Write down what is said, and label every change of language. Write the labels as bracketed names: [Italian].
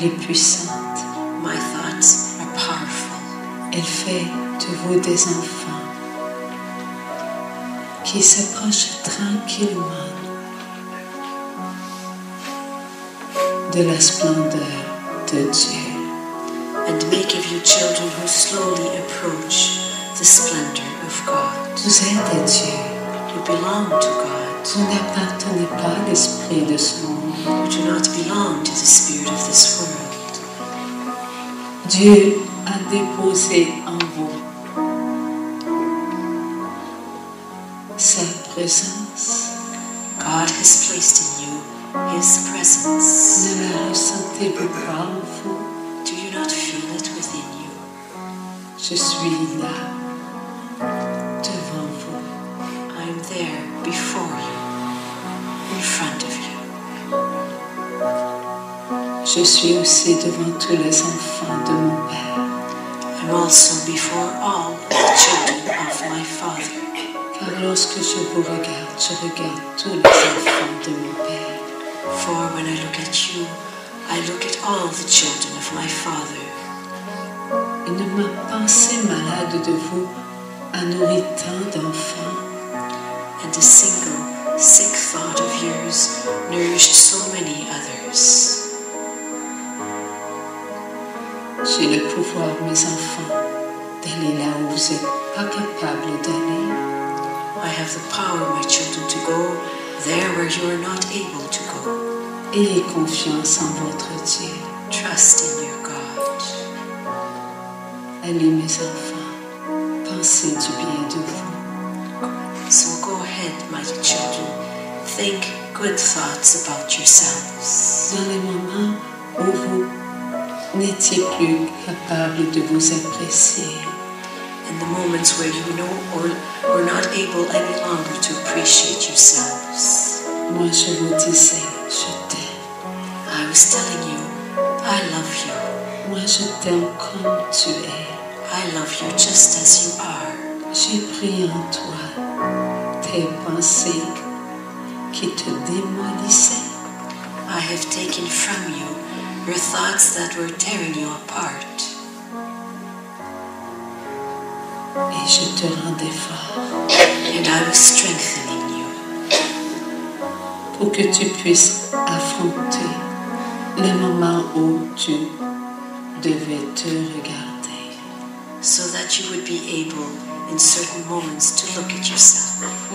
[English] puissante. My thoughts are powerful. [French] Elle fait de vous des enfants qui s'approchent tranquillement de la splendeur de Dieu. [English] And make of you children who slowly approach the splendor of God. [French] Vous êtes Dieu. [English] You belong to God. [French] Vous n'appartenez pas à l'esprit de ce monde. [English] You do not belong to the spirit of this world. [French] Dieu a déposé en vous sa présence. [English] God has placed in you his presence. [French] Ne la ressentez-vous pas en vous? [English] Do you not feel it within you? [French] Je suis là devant vous. [English] I'm there before you, in front of you. [French] Je suis aussi devant tous les enfants de mon père. [English] I'm also before all the children of my father. [French] Car lorsque je regarde tous les enfants de mon père. [English] For when I look at you, I look at all the children of my father. [French] Et ne me pensez malade de vous à nourrir tant d'enfants. [English] And a single sick thought of yours nourished so many others. [French] J'ai le pouvoir, mes enfants, d'aller là où vous êtes pas capable d'aller. [English] I have the power, my children, to go there where you are not able to go. [French] Ayez confiance en votre Dieu. [English] Trust in your God. [French] Allez, mes enfants, pensez du bien de vous. [English] So go ahead, my children. Think good thoughts about yourselves. [French] Dans les moments où vous n'étiez plus capable de vous apprécier. [English] In the moments where you know or were not able any longer to appreciate yourselves. [French] Moi, je vous disais, je t'aime. [English] I was telling you, I love you. [French] Moi, je t'aime comme tu es. [English] I love you just as you are. [French] J'ai pris en toi tes pensées qui te démolissaient. [English] I have taken from you your thoughts that were tearing you apart. [French] Et je te rendais fort. [English] And I was strengthening you. [French] Pour que tu puisses affronter les moments où tu devais te regarder. [English] So that you would be able in certain moments to look at yourself.